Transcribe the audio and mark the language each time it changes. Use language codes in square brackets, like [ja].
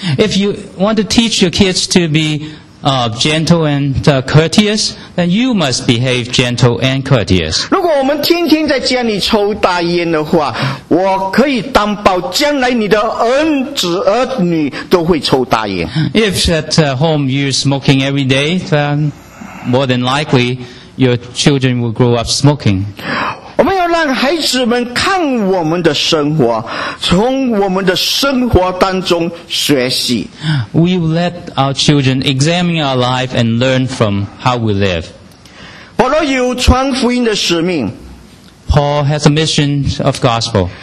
[en] If you want to teach your kids to be gentle and courteous, then you must behave gentle and courteous. [zh] 如果我们天天在家里抽大烟的话，我可以担保，将来你的儿子儿女都会抽大烟。 [en] If at home you're smoking every day, then more than likely your children will grow up smoking. [zh] 让孩子们看我们的生活，从我们的生活当中学习。 [en] We let our children examine our life and learn from how we live. [zh] 保罗有传福音的使命。 [en] Paul has a mission of gospel.